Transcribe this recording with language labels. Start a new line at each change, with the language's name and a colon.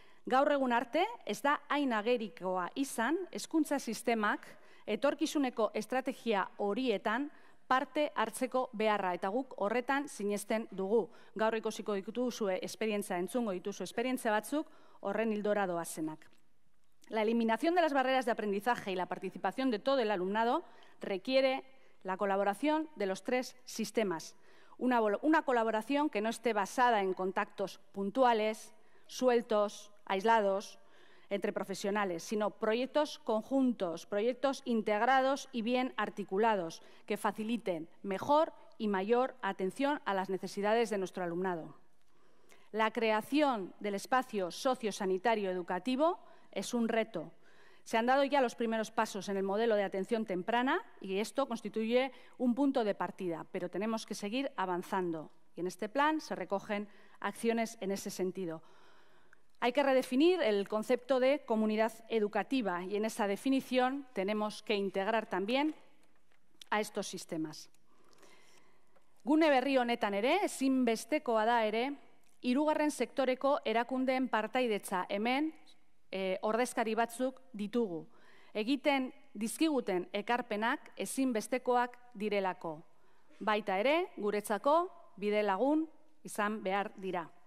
Basque: Gaur egun arte, ez da hain agerikoa izan, hezkuntza sistemak etorkizuneko estrategia horietan parte hartzeko beharra, eta guk horretan sinesten dugu. Gaur ikusiko dituzue esperientzia, entzungo dituzu esperientzia batzuk, horren hildora doazenak.
Spanish: La eliminación de las barreras de aprendizaje y la participación de todo el alumnado requiere la colaboración de los tres sistemas. Una colaboración que no esté basada en contactos puntuales, sueltos, aislados, entre profesionales, sino proyectos conjuntos, proyectos integrados y bien articulados, que faciliten mejor y mayor atención a las necesidades de nuestro alumnado. La creación del espacio sociosanitario educativo es un reto. Se han dado ya los primeros pasos en el modelo de atención temprana y esto constituye un punto de partida, pero tenemos que seguir avanzando. Y en este plan se recogen acciones en ese sentido. Hay que redefinir el concepto de comunidad educativa y en esa definición tenemos que integrar también a estos sistemas.
Basque: Gune berri honetan ere, ezinbestekoa da ere, hirugarren sektoreko erakundeen partaidetza hemen, ordezkari batzuk ditugu. Egiten dizkiguten ekarpenak ezinbestekoak direlako. Baita ere, guretzako bide lagun izan behar dira.